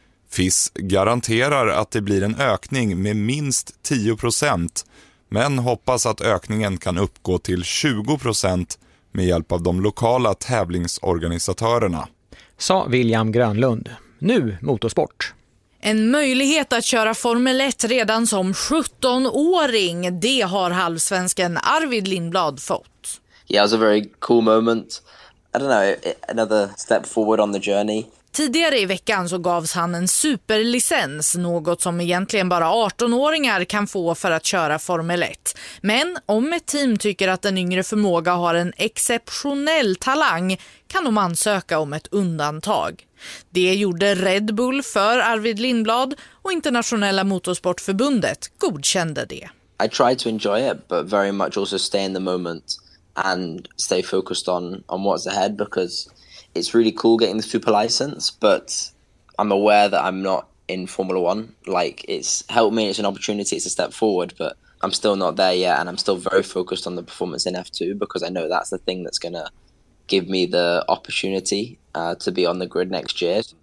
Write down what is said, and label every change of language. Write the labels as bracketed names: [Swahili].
[Swedish] FIS garanterar att det blir en ökning med minst 10%, men hoppas att ökningen kan uppgå till 20% med hjälp av de lokala tävlingsorganisatörerna. Sa William Grönlund. Nu motorsport. En möjlighet att köra Formel 1 redan som 17-åring, det har halvsvensken Arvid Lindblad fått. [English] Yeah, it was a very cool moment. I don't know, another step forward on the journey. [Swedish] Tidigare i veckan så gavs han en superlicens, något som egentligen bara 18-åringar kan få för att köra Formel 1. Men om ett team tycker att en yngre förmåga har en exceptionell talang kan de ansöka om ett undantag. Det gjorde Red Bull för Arvid Lindblad och Internationella motorsportförbundet godkände det. [English] I tried to enjoy it but very much also stay in the moment and stay focused on what's ahead because it's really cool getting the super license, but I'm aware that I'm not in Formula One. Like, it's helped me, it's an opportunity, it's a step forward, but I'm still not there yet and I'm still very focused on the performance in F2 because I know that's the thing that's gonna give me the opportunity to be on the grid next year.